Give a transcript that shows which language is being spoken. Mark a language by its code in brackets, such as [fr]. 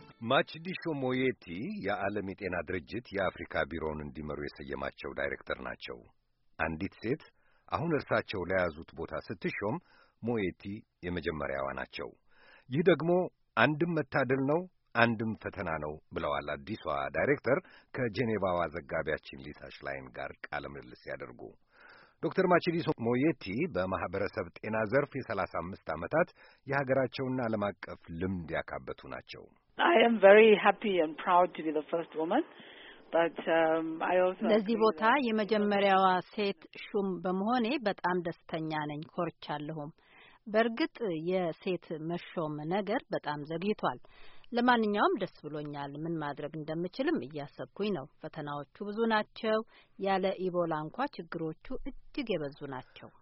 [am] ማችዲሾ ሞዬቲ የዓለም የጤና ድርጅት የአፍሪካ ቢሮውን እንዲመሩ የሰየማቸው ዳይሬክተር ናቸው። አንዲት ሴት አሁን እርሳቸው ለያዙት ቦታ ስትሾም ሞዬቲ የመጀመሪያዋ ናቸው። ይህ ደግሞ አንድም መታደል ነው አንድም ፈተና ነው ብለዋል አዲሷ ዳይሬክተር ከጄኔቫዋ ዘጋቢያችን ሊሳ ሽላይን ጋር ቃለ ምልልስ ያደርጉ። ዶክተር ማችዲሶ ሞዬቲ በማህበረሰብ ጤና ዘርፍ የ35 ዓመታት የሀገራቸውና ዓለም አቀፍ ልምድ ያካበቱ ናቸው። [en] I am very happy and proud to be the first woman but I also [am] ለዚህ ቦታ የመጀመሪያዋ ሴት ሹም በመሆኔ በጣም ደስተኛ ነኝ፣ ኮርቻለሁ። በርግጥ የሴት መሾም ነገር በጣም ዘግይቷል። ለማንኛውም ደስ ብሎኛል። ምን ማድረግ እንደምችልም እያሰብኩኝ ነው። ፈተናዎቹ ብዙ ናቸው። ያለ ኢቦላ እንኳን ችግሮቹ እጅግ የበዙ ናቸው።